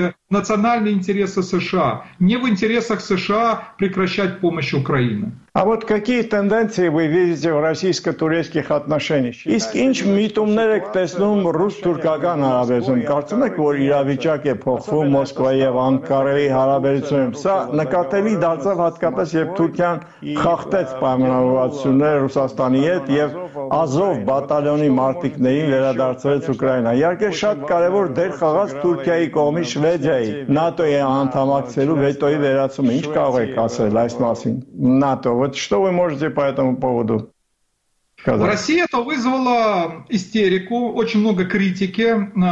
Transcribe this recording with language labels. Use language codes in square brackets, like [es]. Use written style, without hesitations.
[ru] Национальные интересы США, не в интересах США прекращать помощь Украине. А вот какие тенденции вы видите в российско-турецких отношениях? [hy] Իսկ ինչ միտումներ եք տեսնում ռուս-թուրքական հարաբերություն։ Կարծում եք, որ իրավիճակ է փոխվում Մոսկվայի եւ Անկարայի հարաբերությունում։ Սա նկատելի դարձավ հատկապես երբ Թուրքիան խախտեց պայմանավորվածությունը Ռուսաստանի հետ եւ Ազով բատալյոնի մարտիկներին վերադարձրեց Ուկրաինա։ Իհարկե շատ կարեւոր դեր խաղաց Թուրքիայի կողմից Շվեդիայի ՆԱՏՕ-ի անդամակցելու վետոյի վերացումը։ Ինչ կարող եք ասել այս մասին։ ՆԱՏՕ [ru] Вот что вы можете по этому поводу сказать? В России это вызвало истерику, очень много критики.